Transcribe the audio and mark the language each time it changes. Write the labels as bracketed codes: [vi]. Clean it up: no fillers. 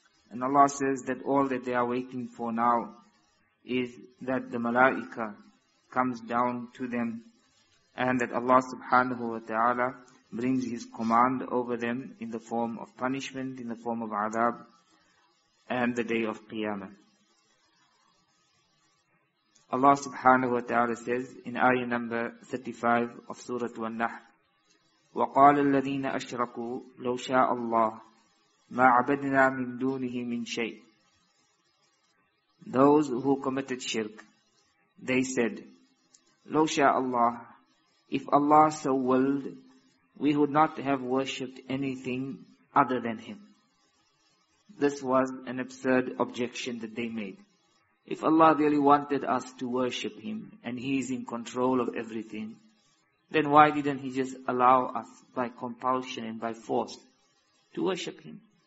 [en] And Allah says that all that they are waiting for now is that the malaika comes down to them and that Allah subhanahu wa ta'ala brings His command over them in the form of punishment, in the form of adab, and the day of qiyamah. Allah subhanahu wa ta'ala says in ayah number 35 of Surah An-Nahl, [ar] وَقَالَ الَّذِينَ أَشْرَكُوا لَوْ شَاءَ اللَّهِ مَا عَبَدْنَا مِنْ دُونِهِ مِنْ شَيْءٍ. [en] Those who committed shirk, they said, [ar] لَوْ شَاءَ اللَّهِ, [en] if Allah so willed, we would not have worshipped anything other than Him. This was an absurd objection that they made. If Allah really wanted us to worship Him and He is in control of everything, then why didn't He just allow us by compulsion and by force to worship Him?